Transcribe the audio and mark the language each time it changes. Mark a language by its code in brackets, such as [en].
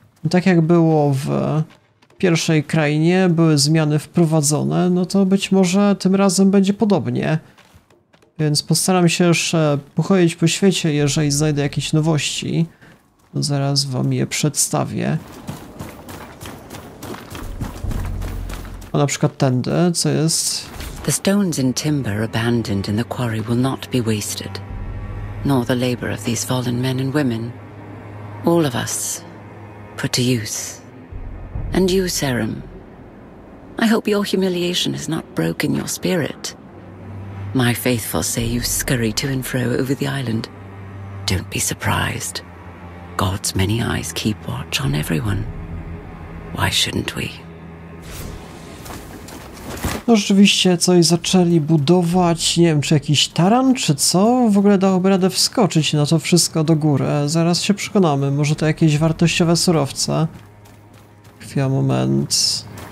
[pl] Tak jak było w pierwszej krainie, były zmiany wprowadzone, no to być może tym razem będzie podobnie. Więc postaram się jeszcze pochodzić po świecie, jeżeli znajdę jakieś nowości. To zaraz wam je przedstawię. O, na przykład tędy, co jest? [en] The stones and timber abandoned in the quarry will not be wasted. Nor the labor of these fallen men and women. All of us put to use. And you, Serum. I hope your humiliation has not broken your spirit. My faithful say you scurry to and fro over the island. Don't be surprised. God's many eyes keep watch on everyone. Why shouldn't we? [pl] No rzeczywiście coś zaczęli budować, nie wiem, czy jakiś taran, czy co? W ogóle dałoby radę wskoczyć na to wszystko do góry. Zaraz się przekonamy, może to jakieś wartościowe surowce. Chwila, moment.